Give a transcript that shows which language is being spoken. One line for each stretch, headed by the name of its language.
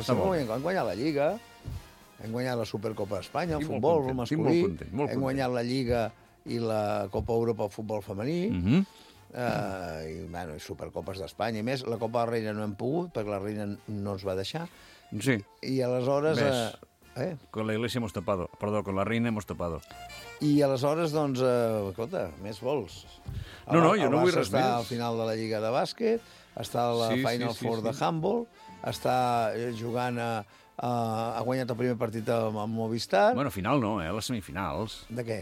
Catalan: Hem guanyat la Lliga, hem guanyat la Supercopa d'Espanya, el futbol molt masculí. Estic molt content, molt hem guanyat la Lliga i la Copa Europa al futbol femení. Mhm. I Supercopes d'Espanya. I més, la Copa de Reina no hem pogut, perquè la Reina no ens va deixar. Sí. I aleshores...
Spanish: Con la Iglesia hemos topado. Perdó, con la Reina hemos topado.
Catalan: I aleshores, doncs, escolta, més vols. No vull res més. Està al final de la Lliga de Bàsquet, està a la Final Four de Handball, està jugant a... ha guanyat el primer partit amb Movistar. Bueno, final no, les semifinals. De què?